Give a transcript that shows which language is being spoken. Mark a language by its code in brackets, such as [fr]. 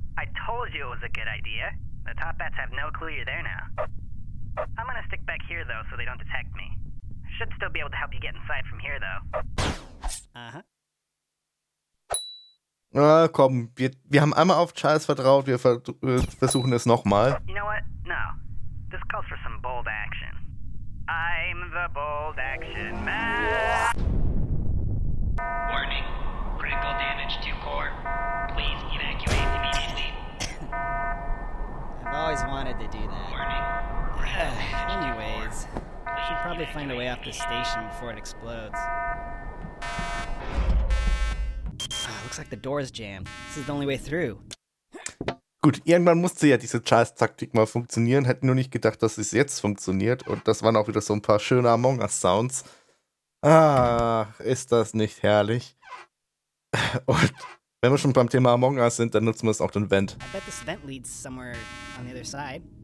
[en] I told you it was a good idea. The top bats have no clue you're there now. I'm gonna stick back here though, so they don't detect me. I should still be able to help you get inside from here though. Uh-huh. [de] Ah, komm, wir haben einmal auf Charles vertraut, wir versuchen es nochmal. [en] You know what? No. This calls for some bold action. I'm the bold action man. Warning. Critical damage to core. Please evacuate immediately. I've always wanted to do that. Warning. Anyways, I should probably find a way off the station before it explodes. Looks like the door is jammed. This is the only way through. [de] Gut, irgendwann musste ja diese Charles-Taktik mal funktionieren. Hätte nur nicht gedacht, dass es jetzt funktioniert. Und das waren auch wieder so ein paar schöne Among Us-Sounds. Ach, ist das nicht herrlich. Und wenn wir schon beim Thema Among Us sind, dann nutzen wir es auch den Vent. [en] I bet this vent leads somewhere on the other side.